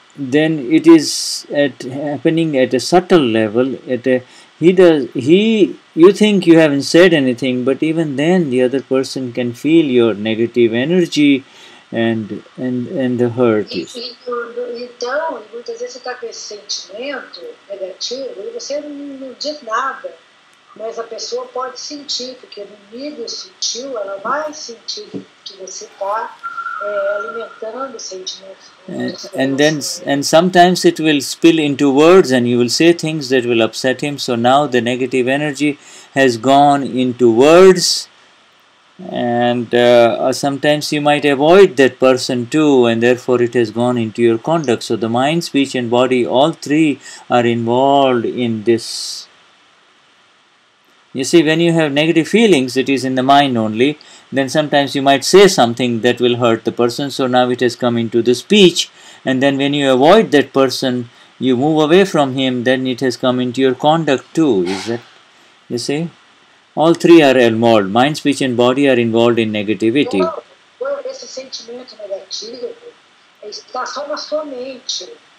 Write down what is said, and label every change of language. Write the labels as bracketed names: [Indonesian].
[English] then it is happening at a subtle level. You think you haven't said anything, but even then the other person can feel your negative energy and the hurt. [Portuguese] Então, muitas vezes você tá com esse sentimento negativo e você não diz nada, mas a pessoa pode sentir, porque no nível sutil ela vai sentir que você tá alimentando sentimentos. [English] And sometimes it will spill into words and you will say things that will upset him, so now the negative energy has gone into words. And sometimes you might avoid that person too, and therefore it has gone into your conduct. So the mind, speech and body, all three are involved in this. You see, when you have negative feelings, it is in the mind only, then sometimes you might say something that will hurt the person, so now it has come into the speech, and then when you avoid that person, you move away from him, then it has come into your conduct too, is it? You see? All three are involved. Mind, speech and body are involved in negativity. [Portuguese] Well, esse sentimento negativo está só na sua mente.